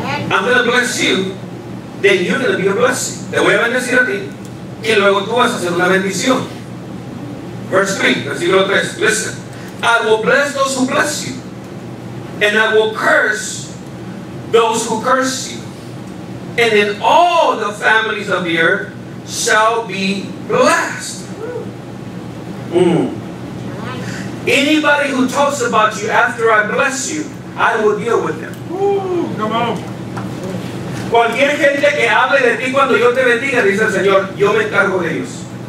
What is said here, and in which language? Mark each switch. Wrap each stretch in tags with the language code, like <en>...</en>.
<en>I'm going to bless you, then you're going to be a blessing.</en> <es>Te voy a bendecir a ti, y luego tú vas a ser una bendición."</es> <en>Verse 3,</en> <es>versículo 3.</es> <en>Listen. "I will bless those who bless you, and I will curse those who curse you. And then all the families of the earth shall be blessed." "Anybody who talks about you after I bless you, I will deal with them." Come on.</en> <es>Cualquier gente que hable de ti cuando yo te bendiga, dice el Señor, yo me encargo de ellos.</es>